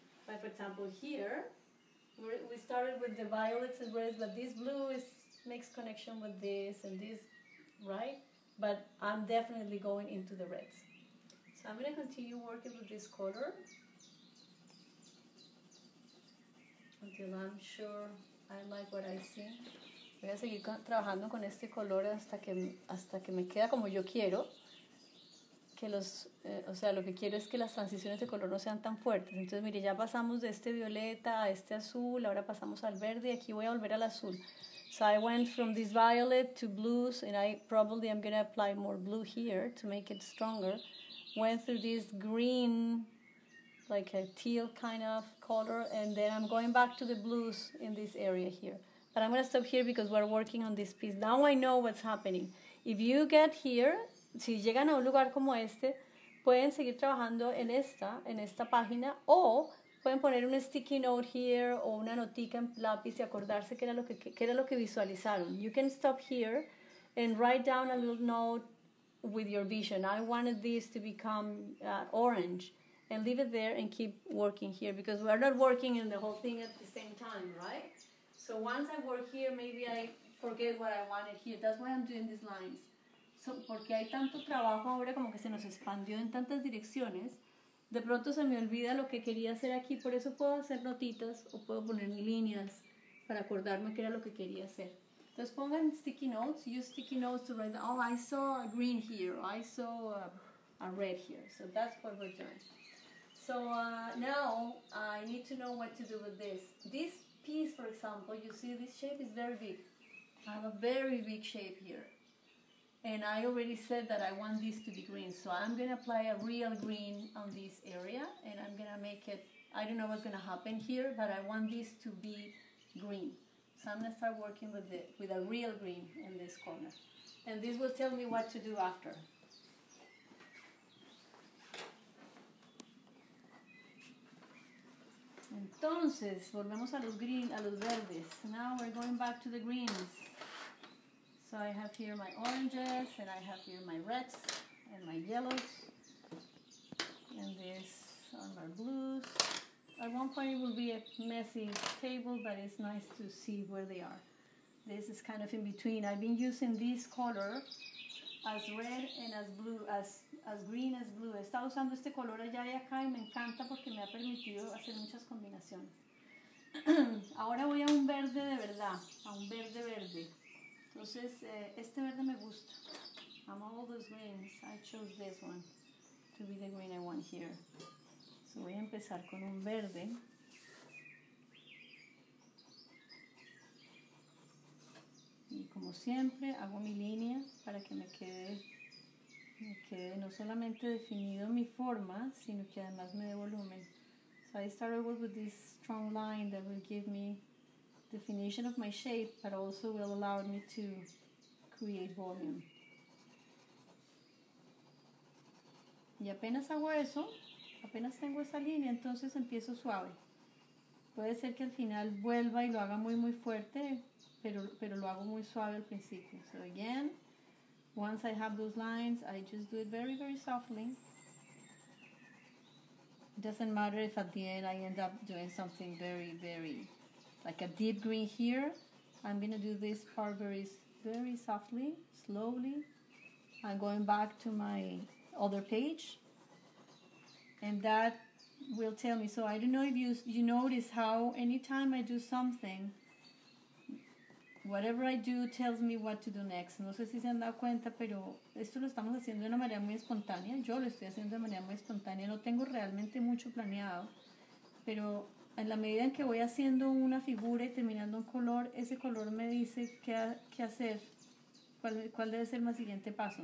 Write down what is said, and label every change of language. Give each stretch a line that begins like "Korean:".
English: Like, for example, here, we started with the violets and reds, but this blue is makes connection with this and this, right? But I'm definitely going into the reds. So I'm going to continue working with this color until I'm sure I like what I see.
Spanish: Voy a seguir trabajando con este color hasta que me queda como yo quiero. Que lo que quiero es que las transiciones de color no sean tan fuertes. Entonces, mire, ya pasamos de este violeta a este azul, ahora pasamos al verde y aquí voy a volver al azul.
English: So I went from this violet to blues, and I probably am going to apply more blue here to make it stronger. Went through this green, like a teal kind of color, and then I'm going back to the blues in this area here. But I'm going to stop here because we're working on this piece. Now I know what's happening. If you get here,
Spanish: si llegan a un lugar como este, pueden seguir trabajando en esta página, o pueden poner un sticky note here o una notica en lápiz y acordarse qué era lo que era lo que visualizaron.
English: You can stop here and write down a little note with your vision. I wanted this to become orange, and leave it there and keep working here, because we're not working in the whole thing at the same time, right? So once I work here, maybe I forget what I wanted here. That's why I'm doing these lines.
Spanish: So, porque hay tanto trabajo ahora, como que se nos expandió en tantas direcciones, de pronto se me olvida lo que quería hacer aquí, por eso puedo hacer notitas o puedo poner líneas para acordarme qué era lo que quería hacer. Entonces pongan sticky notes,
English: use sticky notes to write, oh, I saw a green here, I saw a red here. So that's what we're doing. So now I need to know what to do with this. This piece, for example, you see this shape is very big. I have a very big shape here. And I already said that I want this to be green. So I'm going to apply a real green on this area. And I'm going to make it, I don't know what's going to happen here, but I want this to be green. So I'm going to start working with it, with a real green in this corner. And this will tell me what to do after.
Spanish: Entonces, volvemos a los green, a los verdes.
English: Now we're going back to the greens. So I have here my oranges, and I have here my reds, and my yellows, and this on my blues. At one point it will be a messy table, but it's nice to see where they are. This is kind of in between. I've been using this color as red and as blue, as green as blue.
Spanish: He estado usando este color allá y acá y me encanta porque me ha permitido hacer muchas combinaciones. Ahora voy a un verde de verdad, a un verde verde. Entonces, este verde me gusta.
English: I'm all those greens. I chose this one to be the green I want here.
Spanish: So voy a empezar con un verde. Y como siempre, hago mi línea para que me quede no solamente definido mi forma, sino que además me dé volumen.
English: So I start over with this strong line that will give me definition of my shape, but also will allow me to create volume.
Spanish: Y apenas hago eso, apenas tengo esa línea, entonces empiezo suave. Puede ser que al final vuelva y lo haga muy muy fuerte, pero lo hago muy suave al principio.
English: So again, once I have those lines, I just do it very very softly. Doesn't matter if at the end I end up doing something very very like a deep green here. I'm going to do this part very, very softly, slowly. I'm going back to my other page. And that will tell me. So I don't know if you notice how anytime I do something, whatever I do tells me what to do next.
Spanish: No sé si se han dado cuenta, pero esto lo estamos haciendo de una manera muy espontánea. Yo lo estoy haciendo de manera muy espontánea. No tengo realmente mucho planeado, pero en la medida en que voy haciendo una figura y terminando un color, ese color me dice qué hacer, cuál debe ser mi siguiente paso.